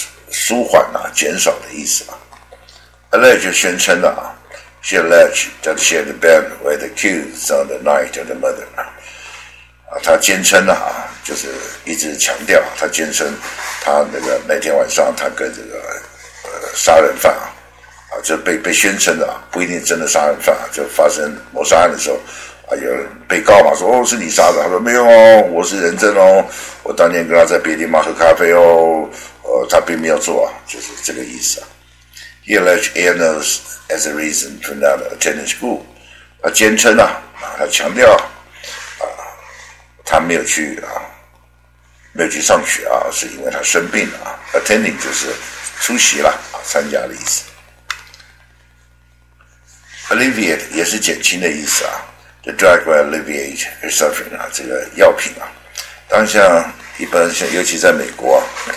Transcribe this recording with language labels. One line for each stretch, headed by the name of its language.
Chinese: 舒缓啊，减少的意思嘛。Allay 就宣称了啊 ，
English: She alleged that she had been with the kids on the night of the murder
Chinese: 啊，她坚称了啊，就是一直强调她坚称她那个那天晚上她跟这个杀人犯啊啊，就被宣称的啊，不一定真的杀人犯啊，就发生谋杀案的时候啊，有人被告嘛，说哦是你杀的，他说没有哦，我是人证哦，我当年跟他在别地方喝咖啡哦。他并没有做啊，就是这个意思啊。
English: He alleged illness as a reason to not attend school。
Chinese: 他坚称啊，他强调啊，他没有去啊，没有去上学啊，是因为他生病了啊。 Attending 就是出席了啊，参加的意思。 Alleviate 也是减轻的意思啊。
English: The drug will alleviate her suffering
Chinese: 啊，这个药品啊，当然像一般像尤其在美国啊。